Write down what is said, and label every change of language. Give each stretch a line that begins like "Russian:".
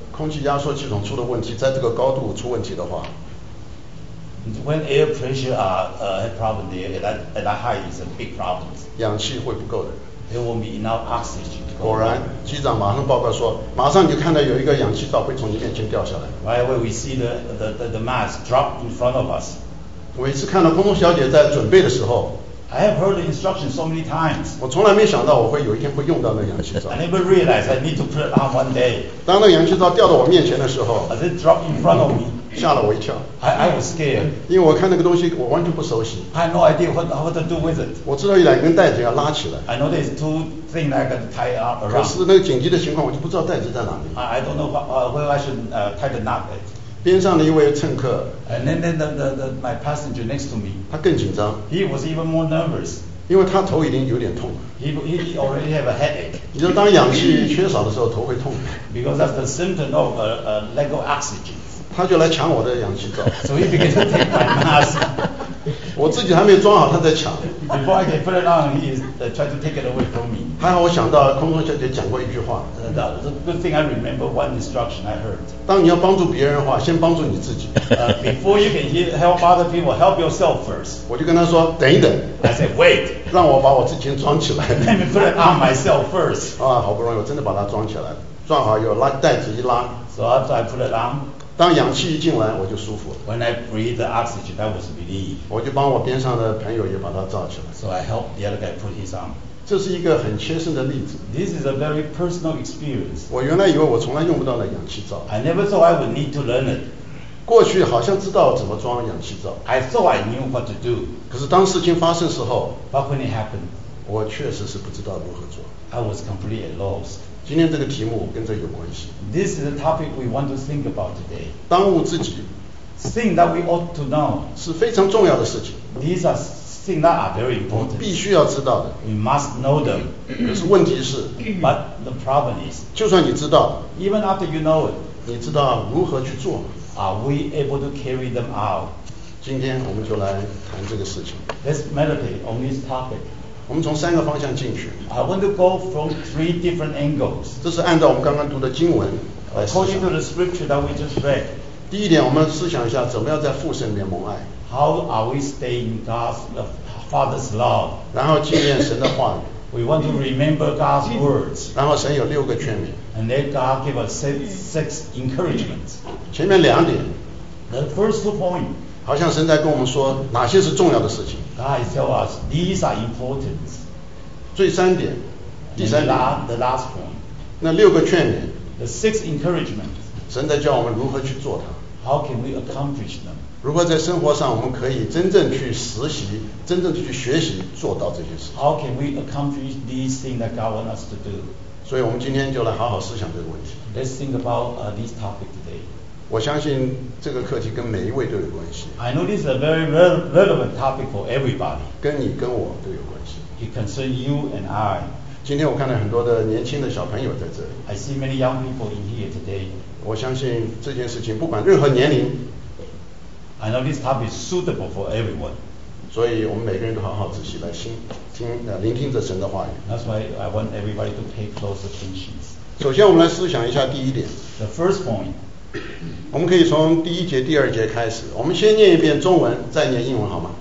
Chinese: 你知道当如果空气压缩系统出了问题，在这个高度出问题的话,
English: When air pressure had problem there at that height, it's a big problem.
Chinese: 氧气会不够的。
English: There won't be enough oxygen.
Chinese: 果然机长马上报告说马上就看到有一个氧气罩会从你面前掉下来。
English: Right away we see the mask drop in front of us.
Chinese: 我一次看到空中小姐在准备的时候,
English: I have heard the instructions so many times.
Chinese: 我从来没想到我会有一天会用到那氧气罩。
English: I never realized I need to put it on one day.
Chinese: 当那氧气罩掉到我面前的时候,
English: As it dropped in front of me,
Chinese: 吓了我一跳。
English: I was scared.
Chinese: 因为我看那个东西我完全不熟悉。
English: I had no idea what to do with it.
Chinese: 我知道有两根带子要拉起来。
English: I know there's two things I can tie up around.
Chinese: 可是那个紧急的情况我就不知道带子在哪里。
English: I don't know where I should tie the knot at.
Chinese: 边上的一位乘客,
English: And then my passenger next to me,
Chinese: 他更紧张,
English: He was even more nervous.
Chinese: 因为他头已经有点痛了。
English: He already have a headache.
Chinese: 你知道当氧气缺少的时候头会痛。
English: Because that's the symptom of a lack of oxygen.
Chinese: 他就来抢我的氧气罩。
English: So he began to take my mask.
Chinese: 我自己还没装好，他在抢。
English: Before I can put it on, he is trying to take it away from me.
Chinese: 还好我想到空中小姐讲过一句话。
English: It's a good thing I remember one instruction I heard.
Chinese: 当你要帮助别人的话，先帮助你自己。
English: Before you can help other people, help yourself first.
Chinese: 我就跟他说，等一等。
English: I said, wait.
Chinese: 让我把我之前装起来。
English: Let me put it on myself first.
Chinese: 啊，好不容易我真的把它装起来了，装好又拉袋子一拉。
English: So after I put it on.
Chinese: 当氧气一进来，我就舒服了。
English: When I breathe the oxygen, that was relief.
Chinese: 我就帮我边上的朋友也把它罩起来。
English: So I helped the other guy put his arm.
Chinese: 这是一个很切身的例子。
English: This is a very personal experience.
Chinese: 我原来以为我从来用不到那氧气罩。
English: I never thought I would need to learn it.
Chinese: 过去好像知道怎么装氧气罩。
English: I thought I knew what to do.
Chinese: 可是当事情发生时候
English: ，But when it happened,
Chinese: 我确实是不知道如何做。
English: I was completely lost.
Chinese: 今天这个题目跟这有关系。
English: This is the topic we want to think about today.
Chinese: 当务之急。
English: Thing that we ought to know.
Chinese: 是非常重要的事情。
English: These are things that are very important.
Chinese: 必须要知道的。
English: We must know them.
Chinese: 可是问题是。
English: But the problem is.
Chinese: 就算你知道。
English: Even after you know it.
Chinese: 你知道如何去做。
English: Are we able to carry them out?
Chinese: 今天我们就来谈这个事情。
English: Let's meditate on this topic.
Chinese: 我们从三个方向进去。
English: I want to go from three different angles.
Chinese: 这是按照我们刚刚读的经文来思想。
English: According to the scripture that we just read.
Chinese: 第一点，我们思想一下怎么样在父神里面蒙爱。
English: How are we staying in God's Father's love?
Chinese: 然后纪念神的话语。
English: We want to remember God's words.
Chinese: 然后神有六个劝勉。
English: And let God give us six encouragements.
Chinese: 前面两点。
English: The first point.
Chinese: 好像神在跟我们说哪些是重要的事情。
English: God is telling us these are important.
Chinese: 最三点，第三点。
English: The last point.
Chinese: 那六个劝勉。
English: The six encouragements.
Chinese: 神在教我们如何去做它。
English: How can we accomplish them?
Chinese: 如何在生活上我们可以真正去实习，真正去学习做到这些事。
English: How can we accomplish these things that God wants us to do?
Chinese: 所以我们今天就来好好思想这个问题。
English: Let's think about this topic today.
Chinese: 我相信这个课题跟每一位都有关系。
English: I know this is a very relevant topic for everybody.
Chinese: 跟你跟我都有关系。
English: It concerns you and I.
Chinese: 今天我看到很多的年轻的小朋友在这里。
English: I see many young people in here today.
Chinese: 我相信这件事情不管任何年龄。
English: I know this topic is suitable for everyone.
Chinese: 所以我们每个人都好好仔细来聆听着神的话语。
English: That's why I want everybody to pay close attention.
Chinese: 首先我们来思想一下第一点。
English: The first point.
Chinese: 我们可以从第一节第二节开始，我们先念一遍中文再念英文好吗？